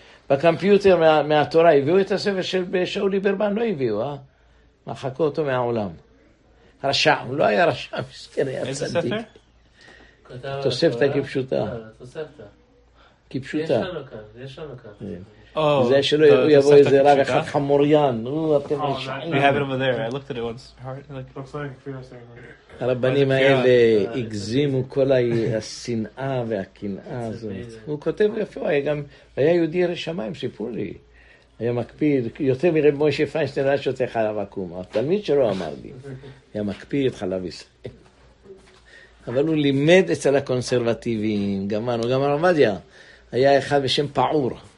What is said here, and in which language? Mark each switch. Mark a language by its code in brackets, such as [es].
[he] בקמפיוטר מהתורה הביאו את הספר של שאול ליברמן, לא הביאו, אה? מחקו אותו מהעולם. רשע, הוא לא היה רשע, מסכן, היה צדיק. איזה ספר? תוספתא כפשוטה. תוספתא. כפשוטה. יש לנו כאן, יש לנו כאן. זה שלא יבוא איזה רב אחד חמוריין. נו, אתם רשעים. [en] We have it over there, I looked at it once. [he] הרבנים האלה הגזימו כל השנאה והקנאה הזאת. הוא כותב יפה, הוא היה גם, היה יהודי ירא שמיים, סיפור לי. היה מקפיד, יותר מרב משה פיינשטיין, היה שותה חלב עקום. התלמיד שלו אמר לי, היה מקפיד חלב ישראל. אבל הוא לימד אצל הקונסרבטיבים, גמרנו, גם הרב עובדיה, היה אחד בשם פעור.